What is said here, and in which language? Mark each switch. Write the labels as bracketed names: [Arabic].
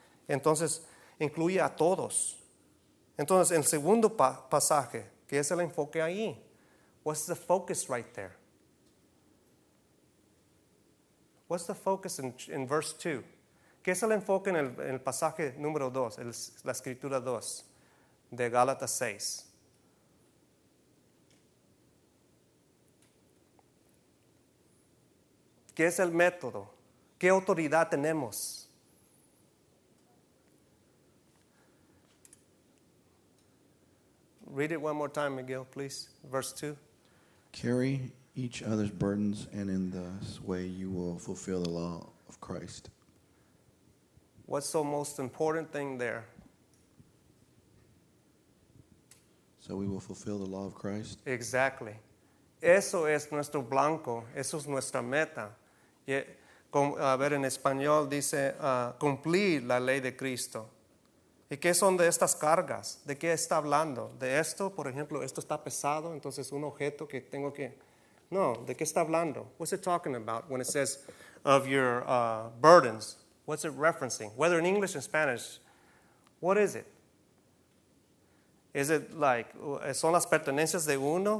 [Spanish] Entonces, incluye a todos. Entonces, el segundo pasaje, ¿qué es el enfoque ahí? [English] What's the focus right there? What's the focus in verse 2? [Spanish] ¿Qué es el enfoque en el pasaje número 2, la escritura 2 de Gálatas 6? ¿Qué es el método? ¿Qué autoridad tenemos? [English] Read it one more time, Miguel, please. Verse 2. Carry each other's burdens, and in this way you will fulfill the law of Christ. What's the most important thing there? So we will fulfill the law of Christ? Exactly. [Spanish] Eso es nuestro blanco. Eso es nuestra meta. A ver, en español dice, cumplir la ley de Cristo. ¿Y qué son de estas cargas? ¿De qué está hablando? ¿De esto, por ejemplo, esto está pesado, entonces un objeto que tengo que... No, ¿de qué está hablando? [English] What's it talking about when it says of your burdens? What's it referencing? Whether in English or Spanish, what is it? Is it like, [Spanish] son las pertenencias de uno?